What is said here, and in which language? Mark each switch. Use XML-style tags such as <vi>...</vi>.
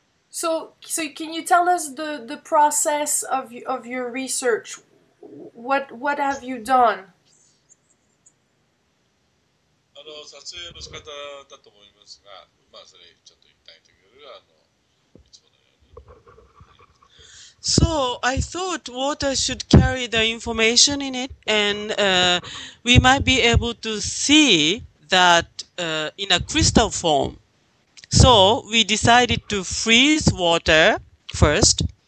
<en>So can you tell us the process of your research? What have you done?</en> <ja>撮影の仕方だと思いますが、それちょっと一旦言ってくれる、いつものように。</ja> <en>So I thought water should carry the information in it, and we might be able to see that in a crystal form. So we decided to freeze water first.</en>